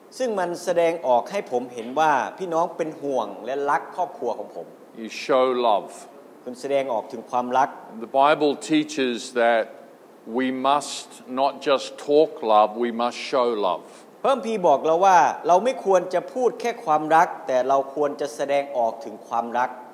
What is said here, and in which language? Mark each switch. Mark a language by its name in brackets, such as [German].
[Thai] ซึ่งมันแสดงออกให้ผมเห็นว่าพี่น้องเป็นห่วงและรักครอบครัวของผม [English] You show love. [Thai] คุณแสดงออกถึงความรัก [English] The Bible teaches that we must not just talk love, we must show love. [Thai] พระคัมภีร์บอกเราว่าเราไม่ควรจะพูดแค่ความรักแต่เราควรจะแสดงออกถึงความรัก